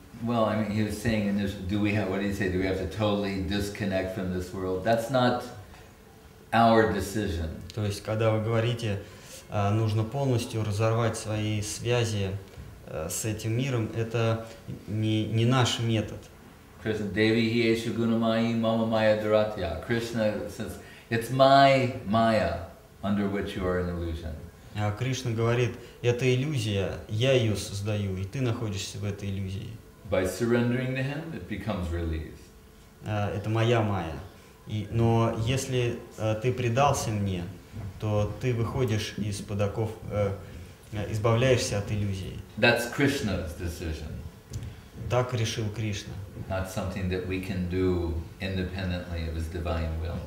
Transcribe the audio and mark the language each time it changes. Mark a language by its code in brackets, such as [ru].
[en] Well, I mean, he was saying in this, do we have to totally disconnect from this world? That's not our decision. [ru] То есть, когда вы говорите, нужно полностью разорвать свои связи с этим миром, это не наш метод. [sa] Krishna Devi Hiyeshu Gunamayi Mama Maya Dharatya. [en] Krishna says, it's my Maya under which you are an illusion. [ru] Кришна говорит, это иллюзия, я ее создаю, и ты находишься в этой иллюзии. [en] By surrendering to him, it becomes released. [ru] Это моя майя. Но если ты предался мне, то ты выходишь из-под оков избавляешься от иллюзии. [en] That's Krishna's decision. [ru] Так решил Кришна. [en] Not something that we can do independently of his divine will.